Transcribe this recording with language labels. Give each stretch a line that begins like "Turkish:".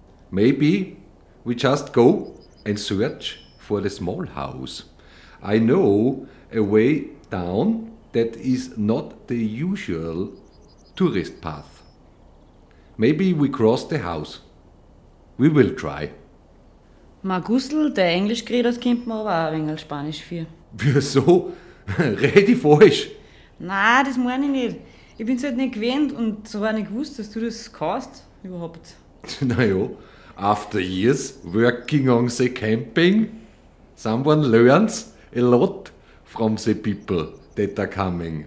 English: Maybe we just go and search for the small house. I know a way down that is not the usual tourist path. Maybe we cross the house. We will try.
German: Magusl, der Englisch geredet, das kennt man aber auch ein wenig als Spanisch für. Wieso? Red ich falsch? Nein, das meine ich nicht. Ich bin es halt nicht gewöhnt und so war nicht gewusst, dass du das kannst überhaupt.
English: Naja, after years working on the camping, someone learns a lot from the people that are coming.